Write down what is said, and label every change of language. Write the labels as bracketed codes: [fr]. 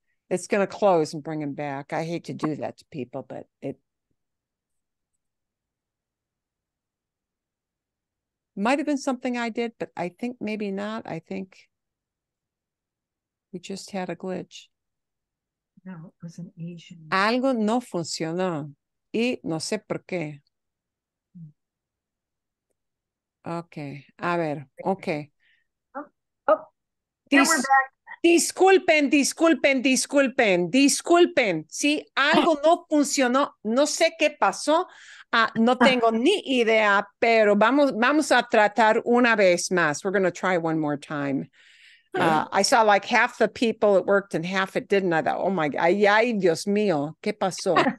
[en] It's going to close and bring him back. I hate to do that to people, but it might have been something I did, but I think maybe not. I think we just had a glitch. No, it was an Asian. [es] Algo no funcionó y no sé por qué. Okay, a ver, okay. Disculpen. Sí, algo no funcionó, no sé qué pasó, no tengo ni idea, pero vamos a tratar una vez más. [en] We're going to try one more time. I saw like half the people it worked and half it didn't. I thought, oh my, [es] ay, ay, Dios mío, ¿qué pasó?